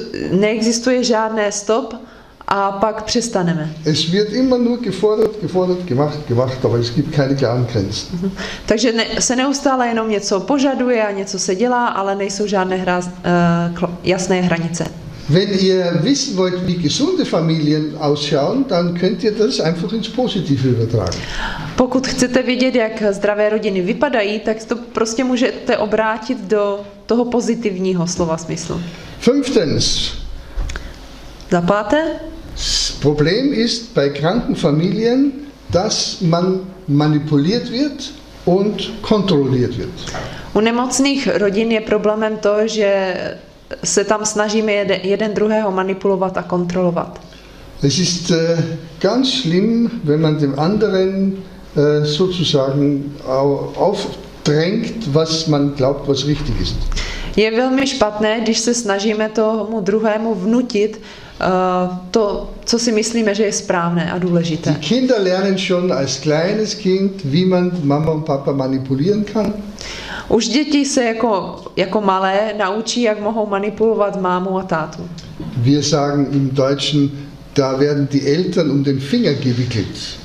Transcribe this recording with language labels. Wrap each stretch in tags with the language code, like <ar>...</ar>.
<cs>Neexistuje žádné stop a pak přestaneme.</cs> <de>Es wird immer nur gefordert, gefordert, gemacht, gemacht, aber es gibt keine klaren Grenzen.</de> <cs>Takže se neustále jenom něco požaduje a něco se dělá, ale nejsou žádné jasné hranice.</cs> <de>Wenn ihr wissen wollt, wie gesunde Familien ausschauen, dann könnt ihr das einfach ins Positive übertragen.</de> <cs>Pokud chcete vědět, jak zdravé rodiny vypadají, tak to prostě můžete obrátit do toho pozitivního slova smyslu.</cs> <de>Fünftens.</de> <cs>Za páté.</cs> <de>Problem ist bei kranken Familien, dass man manipuliert wird und kontrolliert wird.</de> <cs>U nemocných rodin je problémem to, že se tam snažíme jeden druhého manipulovat a kontrolovat.</cs> <de>Es ist ganz schlimm, wenn man dem anderen sozusagen aufdrängt, was man glaubt, was richtig ist.</de> <cs>Je velmi špatné, když se snažíme tomu druhému vnutit to, co si myslíme, že je správné a důležité.</cs> <de>Die Kinder lernen schon als kleines Kind, wie man Mama und Papa manipulieren kann.</de> <cs>Už děti se jako malé naučí, jak mohou manipulovat mámu a tátu.</cs> <de>Wir sagen im Deutschen, da werden die Eltern um den Finger gewickelt.</de>